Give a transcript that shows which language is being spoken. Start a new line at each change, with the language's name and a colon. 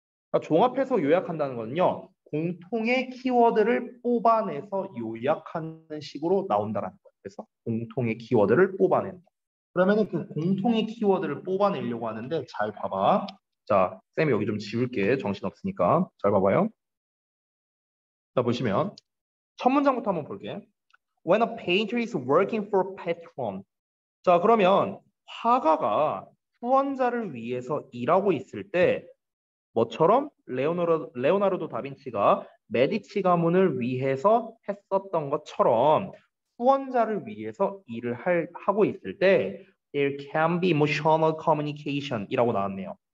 Korean: 그러니까 종합해서 요약한다는 거는요, 공통의 키워드를 뽑아내서 요약하는 식으로 나온다라는 거예요. 그래서 공통의 키워드를 뽑아낸다. 그러면은 그 공통의 키워드를 뽑아내려고 하는데 잘 봐봐. 자, 쌤이 여기 좀 지울게. 정신 없으니까 잘 봐봐요. 자, 보시면 첫 문장부터 한번 볼게.
English: When a painter is working for patron.
Korean: 자, 그러면 화가가 후원자를 위해서 일하고 있을 때 것처럼 레오나르도 다빈치가 메디치 가문을 위해서 했었던 것처럼 후원자를 위해서 일을 하고 있을 때
English: There can be emotional communication
Korean: 이라고 나왔네요.